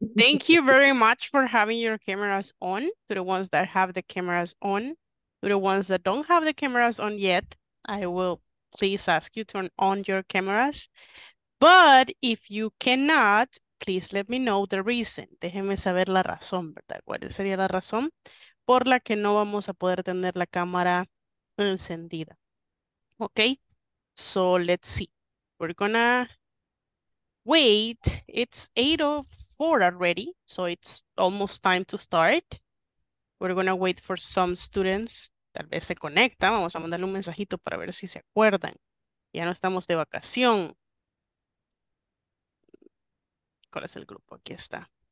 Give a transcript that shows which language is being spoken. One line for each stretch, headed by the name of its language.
English: thank you very much for having your cameras on, to the ones that have the cameras on. To the ones that don't have the cameras on yet, I will please ask you to turn on your cameras. But if you cannot, please let me know the reason.
Spanish: Déjenme saber la razón, ¿verdad? ¿Cuál sería la razón por la que no vamos a poder tener la cámara encendida?
English: Ok, so let's see. We're gonna wait. It's 8:04 already, so it's almost time to start. We're gonna wait for some students.
Spanish: Tal vez se conecta. Vamos a mandarle un mensajito para ver si se acuerdan. Ya no estamos de vacación. ¿Cuál es el grupo? Aquí está.